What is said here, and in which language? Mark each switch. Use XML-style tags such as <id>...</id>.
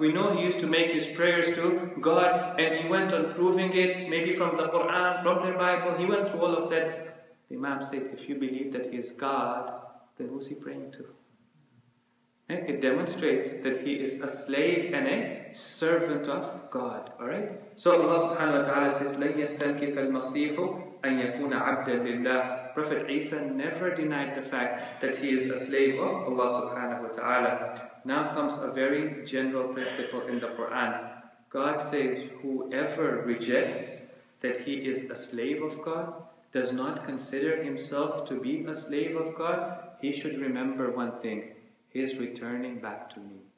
<en>We know he used to make his prayers to God. And he went on proving it, maybe from the Quran, from the Bible. He went through all of that. The Imam said, if you believe that he is God, then who's he praying to? And it demonstrates that he is a slave and a servant of God. Alright?</en> <ar>So Allah subhanahu wa ta'ala says, لَنْ يَسْتَنْكِفَ الْمَصِيحُ أَنْ يَكُونَ عَبْدًا لِلَّهِ.</ar> <en>Prophet Isa never denied the fact that he is a slave of Allah subhanahu wa ta'ala. Now comes a very general principle in the Quran. God says, whoever rejects that he is a slave of God, does not consider himself to be a slave of God, he should remember one thing, he's returning back to me.</en>